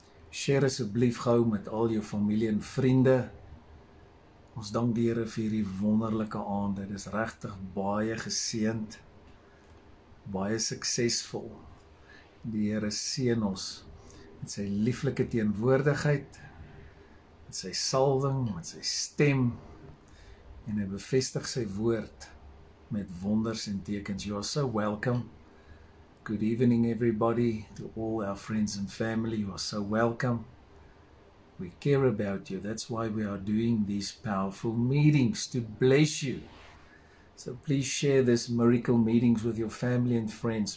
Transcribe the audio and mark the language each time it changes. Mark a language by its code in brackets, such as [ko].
[af] Share asseblief gauw met al jou familie en vrienden. Ons dank die Heere vir die wonderlijke aand. Dit is regtig baie geseend, baie suksesvol. Die Heere seën ons met sy lieflike teenwoordigheid, met sy salwing, met sy stem, en hy bevestig sy woord met wonders en tekens. [en] You are so welcome. Good evening everybody, to all our friends and family, you are so welcome. We care about you. That's why we are doing these powerful meetings, to bless you. So please share this miracle meetings with your family and friends.